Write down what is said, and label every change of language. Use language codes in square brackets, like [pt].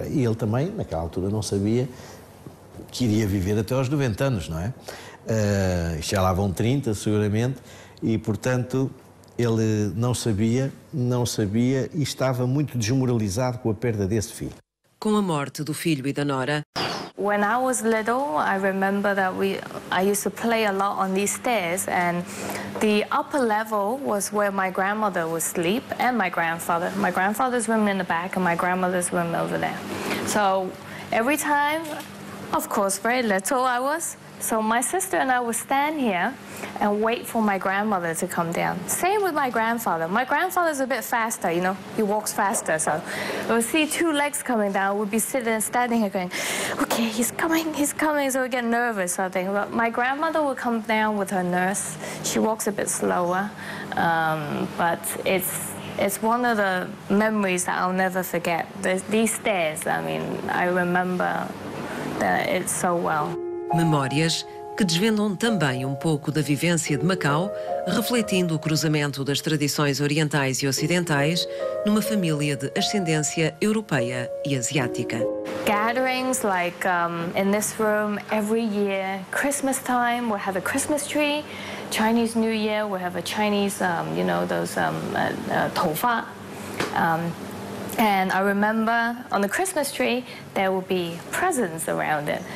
[pt] E ele também, naquela altura, não sabia que iria viver até aos 90 anos, não é? Já lá vão 30, seguramente, e, portanto, ele não sabia e estava muito desmoralizado com a perda desse filho. Com a morte do filho e da nora. [en] When I was little, I remember that I used to play a lot on these stairs, and the upper level was where my grandmother would sleep and my grandfather. My grandfather's room in the back and my grandmother's room over there. So every time, of course, very little I was. So my sister and I would stand here and wait for my grandmother to come down. Same with my grandfather. My grandfather's a bit faster, you know, he walks faster. So we would see 2 legs coming down, we'd be sitting and standing here going, okay, he's coming. So we get nervous, I think. But my grandmother would come down with her nurse. She walks a bit slower, but it's one of the memories that I'll never forget. These stairs, I mean, I remember that it so well. [pt] Memórias que desvendam também um pouco da vivência de Macau, refletindo o cruzamento das tradições orientais e ocidentais numa família de ascendência europeia e asiática. [en] Gatherings like in this room every year, Christmas time we have a Christmas tree, Chinese New Year we have a Chinese, you know, those tofa. And I remember on the Christmas tree, there would be presents around it.